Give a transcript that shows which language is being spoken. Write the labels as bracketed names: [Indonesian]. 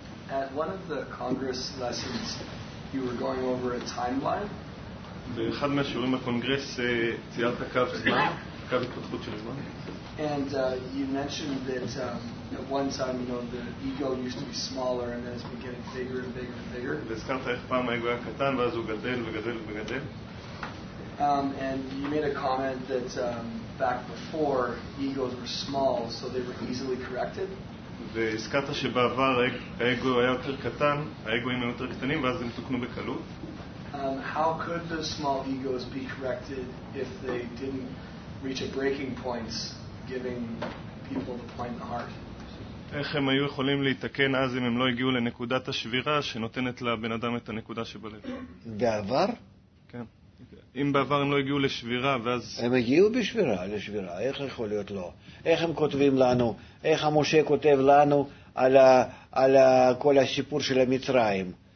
[English] At one of the Congress lessons, you were going over a timeline. [Hebrew] באחד מהשיעורים בקונגרס ציירת קו זמן, קו התפתחות של זמן. [English] And you mentioned that at one time, you know, the ego used to be smaller and then it's been getting bigger and bigger and bigger. [Hebrew] והזכרת איך פעם האגו היה קטן ואז הוא גדל וגדל וגדל. [English] And you made a comment that back before, egos were small, so they were easily corrected. [Hebrew] והזכרת שבעבר האגו היה יותר קטן, האגואים היו יותר קטנים ואז הם תוקנו בקלות. [English] How could the small egos be corrected if they didn't reach a breaking point giving people the point in the heart? [Hebrew] איך הם היו יכולים להתקן אז אם הם לא הגיעו לנקודת השבירה שנותנת לבן אדם את הנקודה שבלב? בעבר? כן. אם בעבר הם לא הגיעו לשבירה ואז... הם הגיעו בשבירה, לשבירה. איך יכול להיות לא? איך הם כותבים לנו? איך המשה כותב לנו על, על כל הסיפור של המצרים?